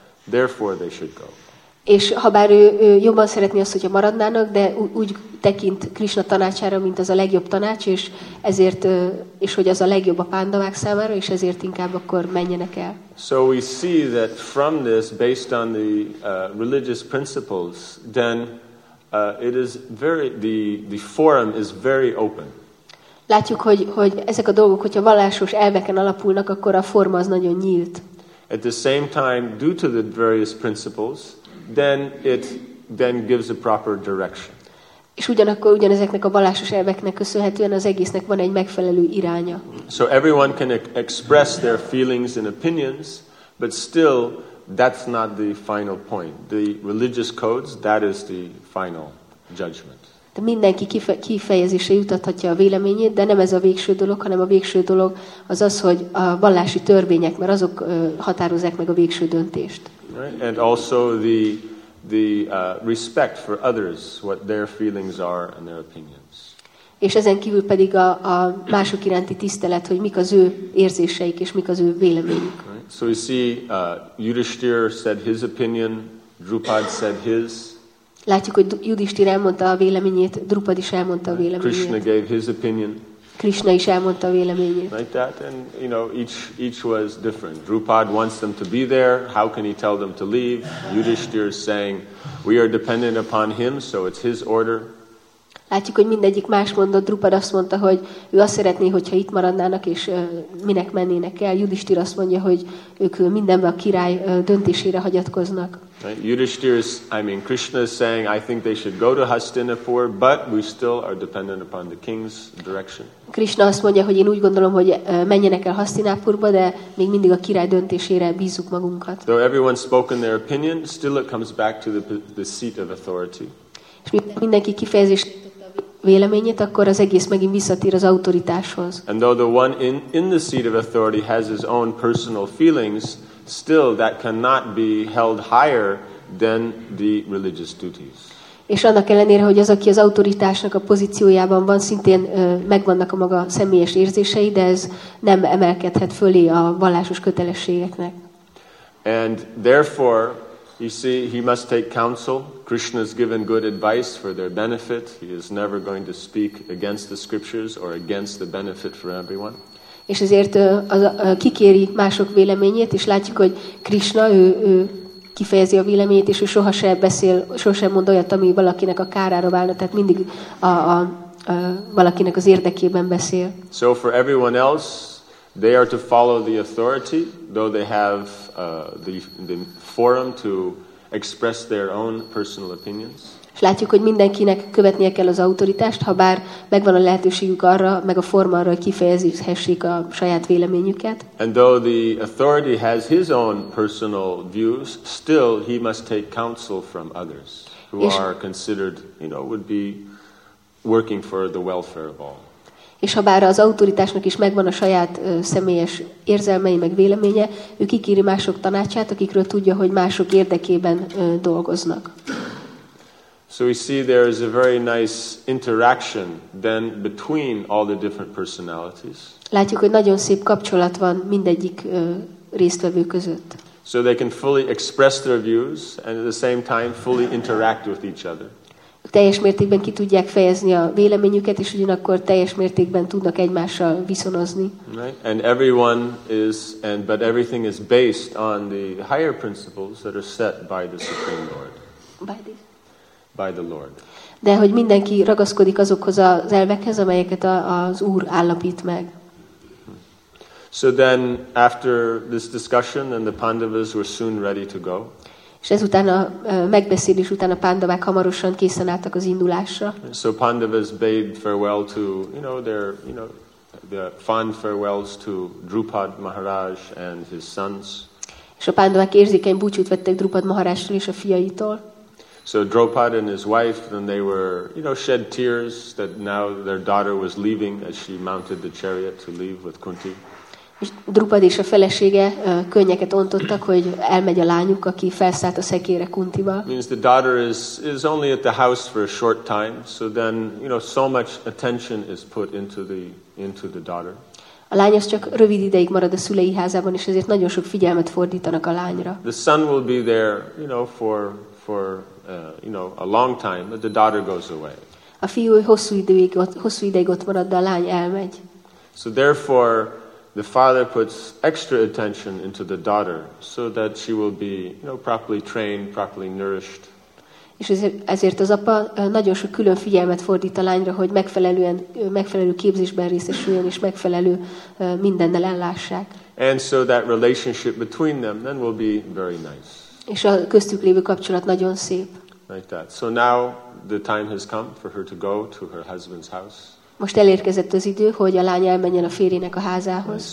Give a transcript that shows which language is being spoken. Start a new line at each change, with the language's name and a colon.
English: Therefore they should go.
Hungarian: És habár ő jobban szeretné azt, hogyha maradnának, de úgy tekint Krishna tanácsára, mint az a legjobb tanács, és ezért és hogy az a legjobb a pándavák számára, és ezért inkább akkor menjenek el.
English: So we see that from this, based on the religious principles, then it is very the forum is very open.
Hungarian: Látjuk, hogy ezek a dolgok, hogyha vallásos elveken alapulnak, akkor a forma az nagyon nyílt.
English: At the same time, due to the various principles, then it then gives a proper direction.
Hungarian: És ugyanakkor ugyanezeknek a vallásos elveknek köszönhetően az egésznek van egy megfelelő iránya.
English: So everyone can express their feelings and opinions, but still that's not the final point. The religious codes, that is the final judgment.
Hungarian: De mindenki kifejezésre jutathatja a véleményét, de nem ez a végső dolog, hanem a végső dolog az az, hogy a vallási törvények, mert azok határozzák meg a végső döntést.
English: Right. And also the respect for others, what their feelings are and their opinions.
Hungarian: És ezen kívül pedig a mások iránti tisztelet, hogy mik az ő érzéseik és mik az ő véleményük.
English: Right. So you see, Yudhishthir said his opinion, Drupad said his.
Hungarian: Látjuk, hogy Yudhishthir elmondta a véleményét, Drupad is elmondta a véleményét.
English: Krishna gave his opinion.
Hungarian: Krishna is elmondta a véleményét.
English: Like that, and you know, each was different. Drupad wants them to be there. How can he tell them to leave? Yudhishthir is saying, we are dependent upon him, so it's his order.
Hungarian: Látjuk, hogy mindegyik más mondott. Drupad azt mondta, hogy ő azt szeretné, hogyha itt maradnának, és minek mennének el. Yudhishthir azt mondja, hogy ők mindenben a király döntésére hagyatkoznak.
English: Right? Yudhishthir is, I mean, Krishna is saying, I think they should go to Hastinapur, but we still are dependent upon the king's direction.
Hungarian: Krishna azt mondja, hogy én úgy gondolom, hogy menjenek el Hastinapurba, de még mindig a király döntésére bízzuk magunkat.
English: Though everyone spoke in their opinion, still it comes back to the seat of authority.
Hungarian: És mindenki kifejezést véleményét, akkor az egész megint visszatér az autoritáshoz.
English: And though the one in the seat of authority has his own personal feelings, still that cannot be held higher than the religious duties.
Hungarian: És annak ellenére, hogy az, aki az autoritásnak a pozíciójában van, szintén megvannak a maga személyes érzései, de ez nem emelkedhet fölé a vallásos kötelességeknek.
English: And therefore, you see, he must take counsel. Krishna has given good advice for their benefit. He is never going to speak against the scriptures or against the benefit for everyone.
Hungarian: És ezért kikéri mások véleményét, és látjuk, hogy Krishna, ő kifejezi a véleményét, és ő sohasem beszél, sohasem mond olyat, ami valakinek a kárára válna, tehát mindig a valakinek az érdekében beszél.
English: So for everyone else, they are to follow the authority, though they have the forum to express their own personal opinions.
Hungarian: És látjuk, hogy mindenkinek követnie kell az autoritást, ha bár megvan a lehetőségük arra, meg a forma arra, hogy kifejezhessék a saját véleményüket.
English: And though the authority has his own personal views, still he must take counsel from others who are considered, you know, would be working for the welfare of all.
Hungarian: És ha bár az autoritásnak is megvan a saját személyes érzelmei meg véleménye, ő kikéri mások tanácsát, akikről tudja, hogy mások érdekében dolgoznak.
English: So we see there is a very nice interaction then between all the different personalities.
Hungarian: Látjuk, hogy nagyon szép kapcsolat van mindegyik résztvevő között.
English: So they can fully express their views and at the same time fully interact with each other.
Hungarian: Teljes mértékben ki tudják fejezni a véleményüket, és ugyanakkor teljes mértékben tudnak egymással viszonozni.
English: Right. And everyone is, and but everything is based on the higher principles that are set by the Supreme Lord. By the Lord.
Hungarian: De hogy mindenki ragaszkodik azokhoz az elvekhez, amelyeket az Úr állapít meg.
English: So then, after this discussion, then the Pandavas were soon ready to go.
Hungarian: És ezután a megbeszélés után a pándavák hamarosan készen álltak az indulásra.
English: So Pandavas bade farewell to, you know, their, you know, their fond farewells to Drupad Maharaj and his sons.
Hungarian: És a pándavák érzékeny búcsút vettek Drupad Maharajtól és a fiaitól.
English: So Drupad and his wife, then they were, you know, shed tears that now their daughter was leaving as she mounted the chariot to leave with Kunti.
Hungarian: És Drupad és a felesége könnyeket ontottak, hogy elmegy a lányuk, aki felszállt a szekére Kuntival.
English: Means the daughter is only at the house for a short time, so then, you know, so much attention is put into the daughter.
Hungarian: A lány az csak rövid ideig marad a szülei házában, és ezért nagyon sok figyelmet fordítanak a lányra.
English: The son will be there, you know, for a long time, but the daughter goes away.
Hungarian: A fiú hosszú ideig ott marad, de a lány elmegy.
English: So therefore, the father puts extra attention into the daughter so that she will be, you know, properly trained, properly nourished.
Hungarian: És ezért az apa nagyon sok külön figyelmet fordít a lányra, hogy megfelelő képzésben részesüljön és megfelelő mindennel ellássák.
English: And so that relationship between them then will be very nice.
Hungarian: És a köztük lévő kapcsolat nagyon szép.
English: Like that. So now the time has come for her to go to her husband's house.
Hungarian: Most elérkezett az idő, hogy a lány elmenjen a férjének a házához.